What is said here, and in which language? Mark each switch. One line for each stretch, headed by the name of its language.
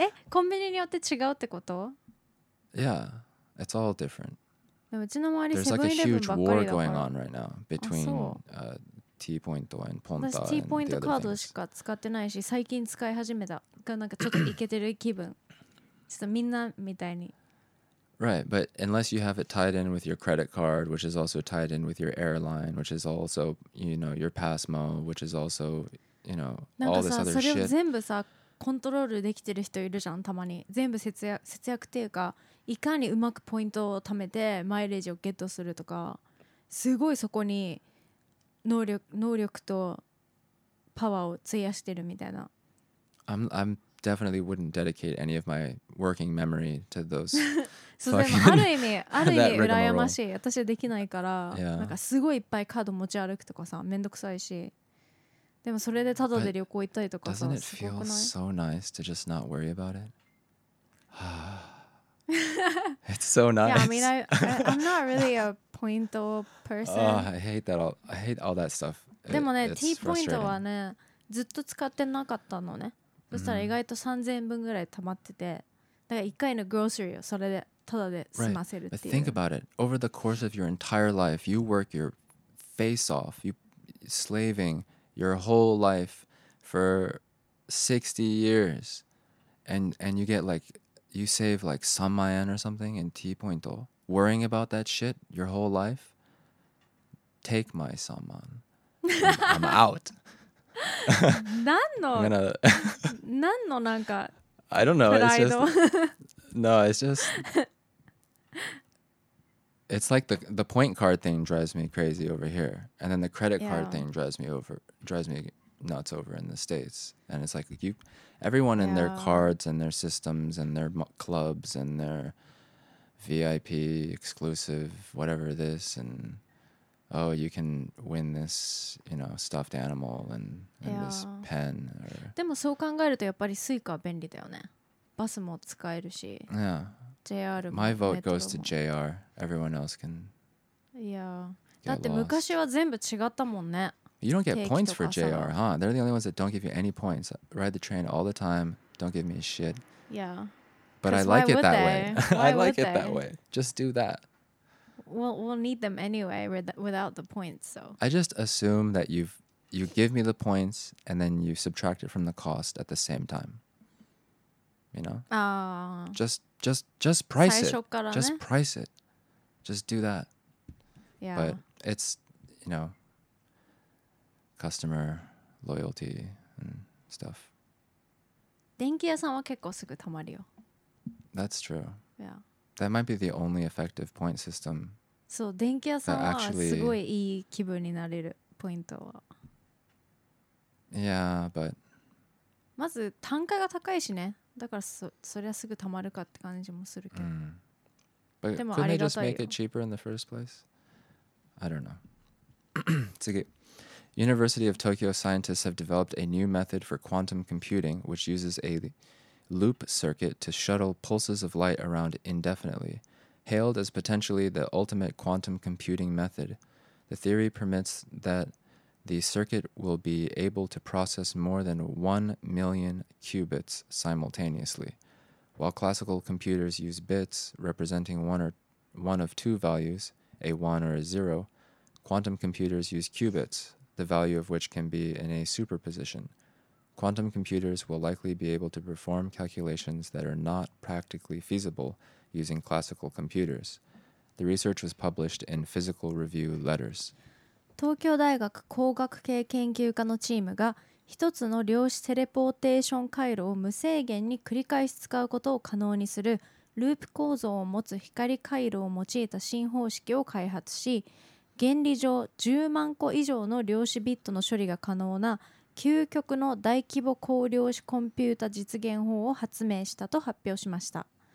Japanese: コンビニによって違うってこと?
English: Yeah, it's all different. There's like a huge war going on right now between T point and Ponta.
Japanese: 私 T ポイントカードしか使ってないし、最近使い始めた。なんかちょっとイケてる気分。ちょっとみんなみたいに。
English: Right, but unless you have it tied in with your credit card, which is also tied in with your airline, which is also, you know, your PASMO, which is also, you know, all this other shit.
Japanese: それを全部さ、コントロールできてる人いるじゃん、たまに。全部節約っていうか、いかにうまくポイントを貯めてマイレージをゲットするとか、すごいそこに能力とパワーを費やしてるみたいな。
English: I'm definitely wouldn't dedicate any of my working memory to those.
Japanese: そうでもある意味羨ましい。私はできないから、なんかすごいいっぱいカード持ち歩くとかさ、めんどくさいし。でもそれでタダで旅行行ったりとかさ、すごくない
English: Doesn't it feel so nice to just not worry about it? It's so nice. Yeah, I mean, I'm not really a point person. Oh, I hate all that stuff.
Japanese: でもね、T ポイントはね、ずっと使ってなかったのね。そしたら意外と3000分ぐらい貯まってて、だから1回のグロッシリーをそれでタダで済ませるっていう。
English: But think about it. Over the course of your entire life, you work your face off, you slaving your whole life for 60 years, and you get like... You save like some mayan or something in T point. Worrying about that shit your whole life. Take my saman. I'm out. I don't know. It's just, no, it's just. It's like the point card thing drives me crazy over here, and then the credit card thing drives me nuts over in the States. And it's like everyone and their cards and their systems and their clubs and their VIP exclusive whatever this, and oh, you can win this, you know, stuffed animal and this pen.
Japanese: でもそう考えるとやっぱりスイカは便利だよね。バスも使えるし。
English: Yeah.
Japanese: JR
English: も。My vote goes to JR. Everyone else can. Yeah.
Japanese: だって昔は全部違ったもんね。
English: You don't get points for JR, huh? They're the only ones that don't give you any points. Ride the train all the time. Don't give me a shit. Yeah. But I like it that way. I like it that way. Just do that. We'll need them anyway without the points. So I just assume that you give me the points and then you subtract it from the cost at the same time. You know? Just price it. Just price it. Just do that. Yeah. But it's, you know, customer loyalty and stuff.
Japanese: 電気屋さんは結構すぐ溜まるよ。
English: That's true. Yeah. That might be the only effective point system.
Japanese: そう、電気屋さんはすごいいい気分になれるポイントは。
English: Yeah, but
Japanese: まず単価が高いしね。だからそりゃすぐ貯まるかって感じもするけど。 Mm. But でもありがたいよ。
English: Couldn't they just make it cheaper in the first place? I don't know. 次。University of Tokyo scientists have developed a new method for quantum computing, which uses a loop circuit to shuttle pulses of light around indefinitely. Hailed as potentially the ultimate quantum computing method, the theory permits that the circuit will be able to process more than 1 million qubits simultaneously. While classical computers use bits representing one of two values, a one or a zero, quantum computers use qubits, the value of which can be in a superposition. Quantum computers will likely be able to perform calculations that are not practically feasible. Using classical computers. The research was published in Physical Review Letters.
Japanese: 東京大学工学系研究家のチームが一つの量子テレポーテーション回路を無制限に繰り返し使うことを可能にするループ構造を持つ光回路を用いた新方式を開発し、原理上10万個以上の量子ビットの処理が可能な究極の大規模高量子コンピュータ実現法を発明したと発表しました。